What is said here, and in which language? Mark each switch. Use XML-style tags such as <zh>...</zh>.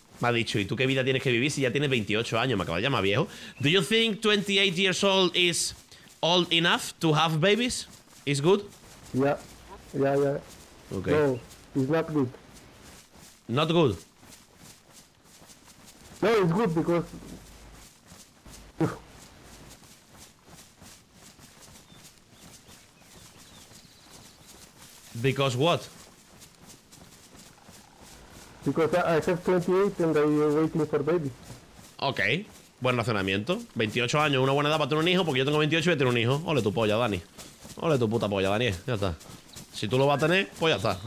<es>Me ha dicho, ¿y tú qué vida tienes que vivir si ya tienes 28 años? Me acaba de llamar viejo.</es> <en>Do you think 28 years old is old enough to have babies? Is good? Yeah. Okay. No, it's not good. Not good? No, it's good because... Because what? Because I have 28 and I'm waiting for baby.</en> <es>Okay. Buen razonamiento. 28 años, una buena edad para tener un hijo, porque yo tengo 28 y voy a tener un hijo. Ole tu polla, Dani. Ole tu puta polla, Dani. Ya está. Si tú lo vas a tener, pues ya está.</es>